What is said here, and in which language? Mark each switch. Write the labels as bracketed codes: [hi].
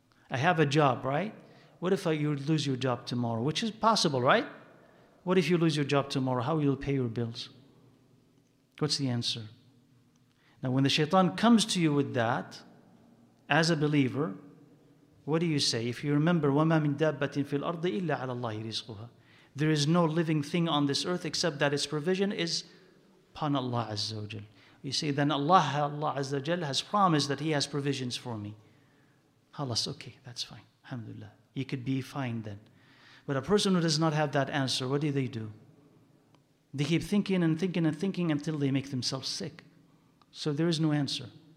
[en] I have a job, right? What if you lose your job tomorrow? Which is possible, right? What if you lose your job tomorrow? How will you pay your bills? What's the answer? Now, when the shaitan comes to you with that, as a believer, what do you say? If you remember, [ar] وَمَا مِن دَابَّةٍ فِي الْأَرْضِ إِلَّا عَلَى اللَّهِ رِزْقُهَا. [en] There is no living thing on this earth except that its provision is upon Allah Azza wa Jal. You say, then Allah Azza wa Jal has promised that he has provisions for me. Halas, okay, that's fine. Alhamdulillah. You could be fine then. But a person who does not have that answer, what do? They keep thinking and thinking and thinking until they make themselves sick. So there is no answer.